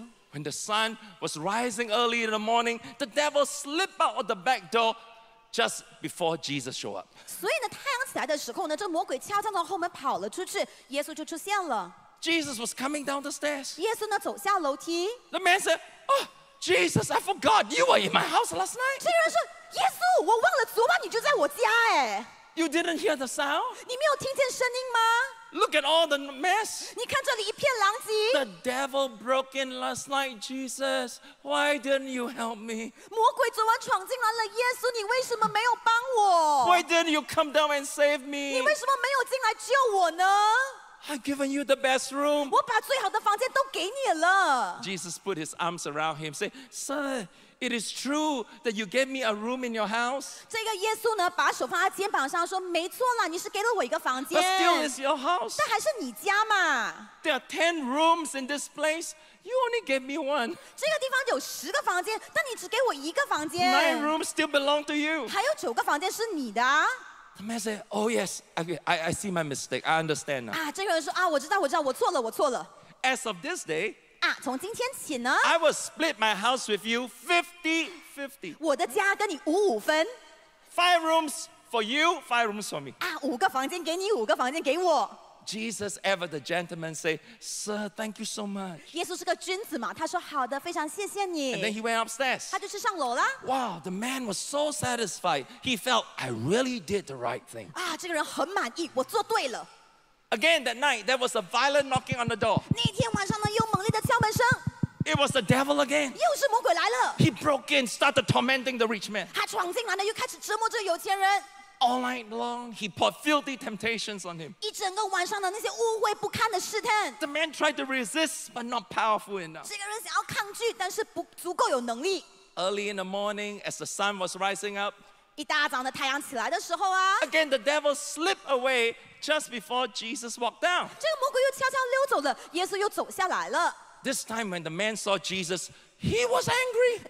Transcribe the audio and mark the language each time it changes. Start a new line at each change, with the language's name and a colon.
English: When the sun was rising early in the morning, the devil slipped out of the back door just before Jesus showed up.
Chinese: 所以呢,太阳起来的时候呢,这魔鬼敲上了后门跑了出去, 耶稣就出现了。Jesus
English: was coming down the stairs.
Chinese: 耶稣呢,走下楼梯。
English: The man said, oh, Jesus, I forgot you were in my house last night.
Chinese: 这人说,耶稣,我忘了昨晚你就在我家耶。
English: You didn't hear the sound?
Chinese: 你没有听见声音吗?
English: Look at all the mess.
Chinese: 你看这里一片狼藉?
English: The devil broke in last night, Jesus. Why didn't you help me?
Chinese: 魔鬼昨晚闯进来了,耶稣,你为什么没有帮我?
English: Why didn't you come down and save me?
Chinese: 你为什么没有进来救我呢?
English: I've given you the best room.
Chinese: 我把最好的房间都给你了。
English: Jesus put his arms around him, say, Son, it is true that you gave me a room in your house.
Chinese: 这个耶稣呢, 把手放在肩膀上, 说, 没错啦, 你是给了我一个房间。
English: But still it's your house.
Chinese: 但还是你家嘛。
English: There are 10 rooms in this place. You only gave me one.
Chinese: 这个地方有10个房间, 但你只给我一个房间。
English: 9 rooms still belong to you.
Chinese: 还有9个房间是你的。
English: The man said, oh yes, I see my mistake. I understand now.
Chinese: 啊, 这个人说, 啊, 我知道, 我错了, 我错了。
English: As of this day,
Chinese: 啊, 从今天起呢,
English: I will split my house with you 50-50.
Chinese: 我的家跟你五五分。
English: 5 rooms for you, 5 rooms for me.
Chinese: 啊, 五个房间给你, 五个房间给我。
English: Jesus ever the gentleman say, Sir, thank you so much.
Chinese: 耶稣是个君子嘛, 他说, 好的, 非常谢谢你。
English: And then he went upstairs.
Chinese: 他就是上楼了。
English: Wow, the man was so satisfied. He felt, I really did the right thing.
Chinese: 啊, 这个人很满意, 我做对了。
English: Again that night, there was a violent knocking on the door.
Chinese: 那天晚上呢,又猛烈的敲门声。
English: It was the devil again.
Chinese: 又是魔鬼来了。
English: He broke in, started tormenting the rich man.
Chinese: 他闯进来了,又开始折磨这个有钱人。
English: All night long, he poured filthy temptations on him.
Chinese: 一整个晚上的那些污秽不堪的试探。
English: The man tried to resist, but not powerful enough.
Chinese: 这个人想要抗拒,但是不足够有能力。
English: Early in the morning, as the sun was rising up,
Chinese: 一大早的太阳起来的时候啊,
English: again, the devil slipped away just before Jesus walked down.
Chinese: 这个魔鬼又悄悄溜走了,耶稣又走下来了。
English: This time when the man saw Jesus, he was angry.